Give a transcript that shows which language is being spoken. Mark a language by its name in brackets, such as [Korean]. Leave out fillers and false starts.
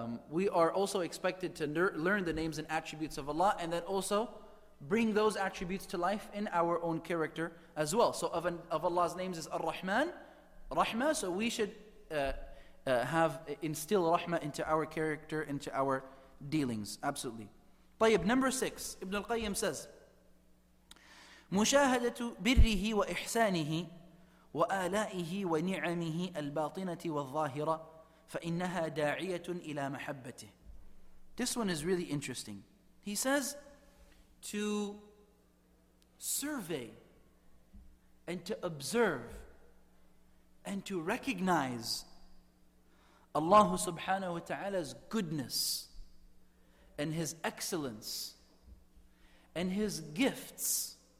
[English] We are also expected to learn the names and attributes of Allah, and then also bring those attributes to life in our own character as well. So of Allah's names is Ar-Rahman, Rahmah, so we should have instill rahmah into our character, into our dealings. Absolutely. [Arabic] طيب, [English] number six, Ibn al-Qayyim says, [Arabic] مُشَاهَدَةُ بِرِّهِ وَإِحْسَانِهِ وَآلَائِهِ وَنِعَمِهِ الْبَاطِنَةِ وَالظَّاهِرَةِ فَإِنَّهَا دَاعِيَةٌ إِلَى مَحَبَّتِهِ. [English] This one is really interesting. He says, to survey and to observe and to recognize Allah subhanahu wa ta'ala's goodness and His excellence and His gifts